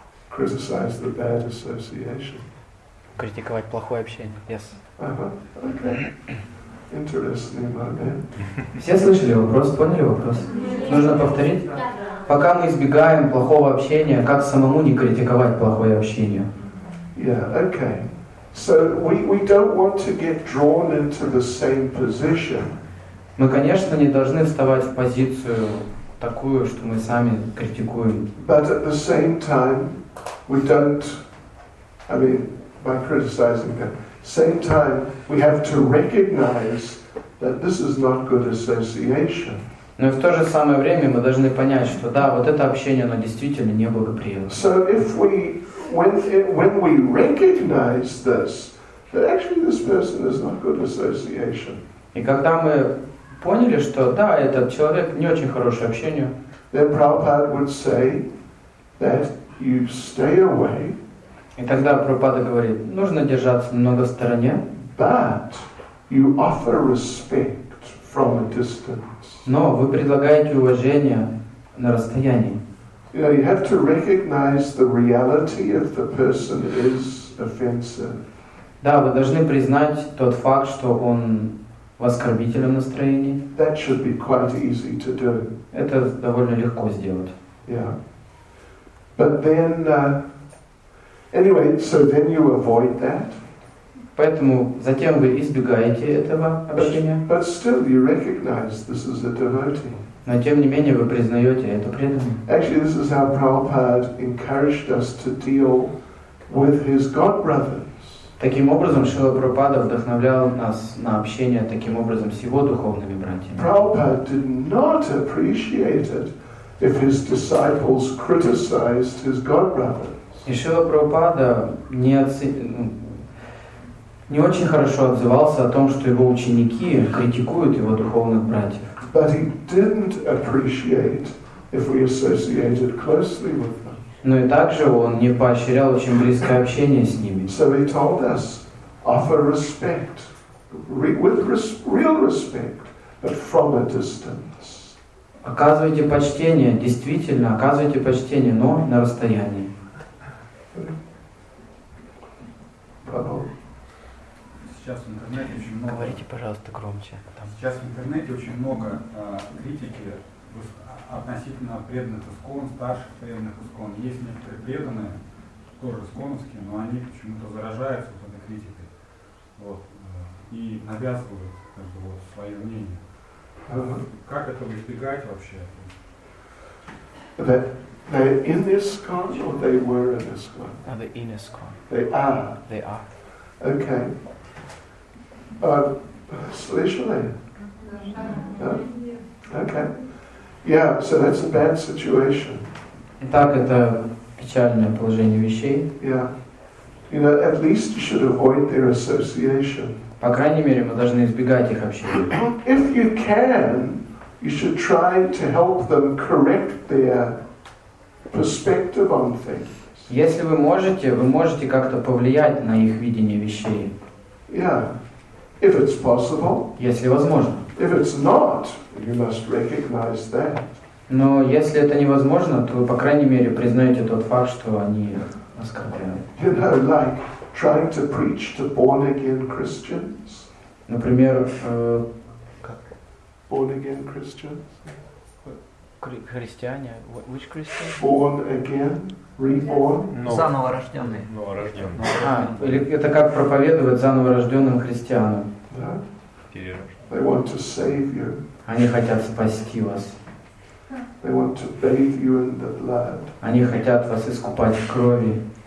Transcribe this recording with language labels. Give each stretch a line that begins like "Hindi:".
English: Criticize the bad association.
Russian: Критиковать плохое общение.
English: Yes. Okay. Interesting moment.
Russian: Все слышали вопрос, поняли вопрос? Нужно повторить? Пока мы избегаем плохого общения, как самому не критиковать плохое общение?
English: Yeah. Okay. So we don't want to get drawn into the same position.
Russian: Мы, конечно, не должны вставать в позицию такую, что мы сами критикуем.
English: But at the same time, we don't. I mean. By criticizing them. Same time, we have to recognize that this is not good association.
Russian: Но в то же самое время мы должны понять, что да, вот это общение, оно действительно неблагоприятно.
English: So if we, when we recognize this, that actually this person is not good association.
Russian: И когда мы поняли, что да, этот человек не очень хорошее общение.
English: Then Prabhupada would say that you stay away.
Russian: И тогда Прабхупада говорит, нужно держаться немного в стороне.
English: But you offer respect from a distance.
Russian: Но вы предлагаете уважение на расстоянии.
English: You know, you have to recognize the reality if the person is offensive.
Russian: Да, вы должны признать тот факт, что он в оскорбительном настроении.
English: That should be quite easy to do.
Russian: Это довольно легко сделать.
English: Yeah. But then. Anyway, so then you avoid that.
Russian: Поэтому затем вы избегаете этого общения.
English: But still, you recognize this is a devotee.
Russian: Но тем не менее вы признаете это преданным.
English: Actually, this is how Prabhupada encouraged us to deal with his god brothers.
Russian: Таким образом, Шрила Прабхупада вдохновлял нас на общение таким образом с его духовными братьями.
English: Prabhupada did not appreciate it if his disciples criticized his god brothers.
Russian: И Шрила Прабхупада не очень хорошо отзывался о том, что его ученики критикуют его духовных братьев.
English: But he didn't appreciate if we associated closely with them.
Russian: Но и также он не поощрял очень близкое общение с ними.
English: So he told us, offer respect, with real respect, but from a distance.
Russian: Оказывайте почтение, действительно, оказывайте почтение, но на расстоянии. Сейчас в интернете очень много. Говорите, пожалуйста, громче. Там. Сейчас в интернете очень много критики относительно преданных ИСККОН, старших преданных ИСККОН. Есть некоторые преданные, тоже ИСККОНовские, но они почему-то заражаются вот этой критикой. Вот, и навязывают как бы, вот, свое мнение. Как этого избегать вообще?
English: They're in ISKCON or they were in ISKCON? No, they're in ISKCON. They are. They are. Okay.
Russian: Slishale?
English: No? Okay. Yeah, so that's a bad situation.
Russian: Итак, это печальное положение вещей.
English: Yeah. You know, at least you should avoid their association.
Russian: По крайней мере, мы должны избегать их общения.
English: If you can, you should try to help them correct their perspective on things.
Russian: Если вы можете, как-то повлиять на их видение вещей.
English: Yeah. If it's possible.
Russian: Если возможно.
English: If it's not, you must recognize that.
Russian: Но если это невозможно, то вы, по крайней мере, признаете тот факт, что они оскорбляют.
English: You know, like trying to preach to born-again Christians.
Russian: Например,
English: born-again Christians.
Russian: Христиане?
English: Which Christian? Born again.
Russian: Заново рожденные. Новорожденные. А, это как проповедовать заново рожденным христианам.
English: They want to save you.
Russian: Они хотят спасти вас.
English: They want to bathe you in the blood.
Russian: Они хотят вас искупать в крови.